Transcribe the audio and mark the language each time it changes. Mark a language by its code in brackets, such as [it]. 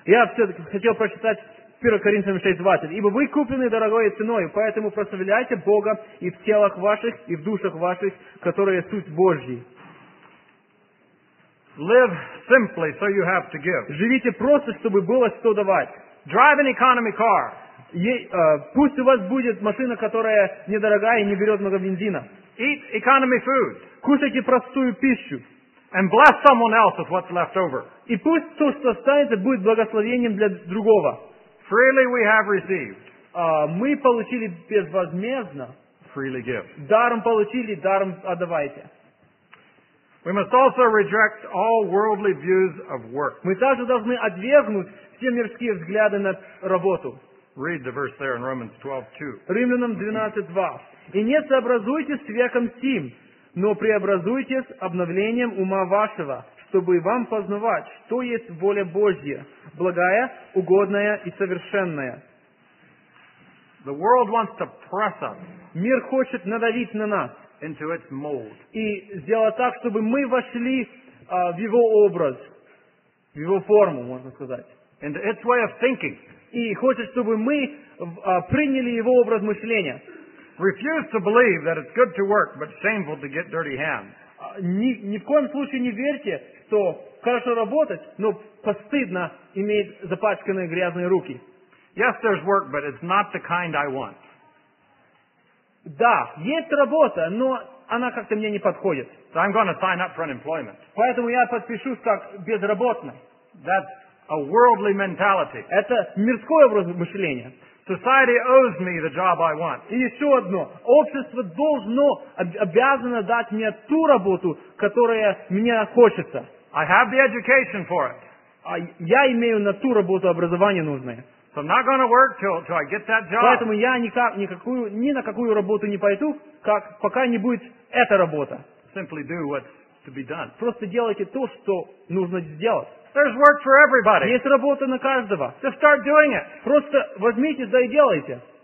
[ru] Я хотел прочитать 1 Коринфянам 6:20. Ибо вы куплены дорогой ценой, поэтому прославляйте Бога и в телах ваших, и в душах ваших, которые суть Божьей. [en] Live simply so you have to give. [ru] Живите просто, чтобы было что давать. [en] Drive an economy car. [ru] Пусть у вас будет машина, которая недорогая и не берет много бензина. [en] Eat economy food. [ru] Кушайте простую пищу. [en] And bless someone else with what's left over. [ru] И пусть то, что останется, будет благословением для другого. [en] Freely we have received. [ru] Мы получили безвозмездно. [en] Freely give. [ru] Даром получили, даром отдавайте. [en] We must also reject all worldly views of work. [ru] Мы также должны отвергнуть все мирские взгляды на работу. [en] Read the verse there in Romans 12:2. [ru] Римлянам 12:2. И не сообразуйтесь с веком сим, но преобразуйтесь обновлением ума вашего, чтобы вам познавать, что есть воля Божья, благая, угодная и совершенная. [en] The world wants to press us. [ru] Мир хочет надавить на нас. [en] Into its mold. [ru] И сделать так, чтобы мы вошли в его образ, в его форму, можно сказать. [en] Into its way of thinking. [ru] И хочет, чтобы мы приняли его образ мышления. [en] Refuse to believe that it's good to work, but shameful to get dirty hands. [ru] Ни в коем случае не верьте, что хорошо работать, но постыдно иметь запачканные грязные руки. [en] Yes, there's work, but it's not the kind I want. [ru] Да, есть работа, но она как-то мне не подходит. [en] So I'm going to sign up for unemployment. [ru] Поэтому я подпишусь как безработный. [en] That's a worldly mentality. [ru] Это мирское образ мышления. [en] Society owes me the job I want. [ru] И еще одно. Общество должно, обязано дать мне ту работу, которая мне хочется. [en] I have the education for it. [ru] Я имею на ту работу образование нужное. [en] So I'm not going to work till I get that job. [ru] Поэтому я ни на какую работу не пойду, пока не будет эта работа. [en] Simply do what's to be done. [ru] Просто делайте то, что нужно сделать. [en] There's work for everybody. [ru] Есть работа на каждого. [en] Just start doing it. [ru] Просто возьмите да и делайте.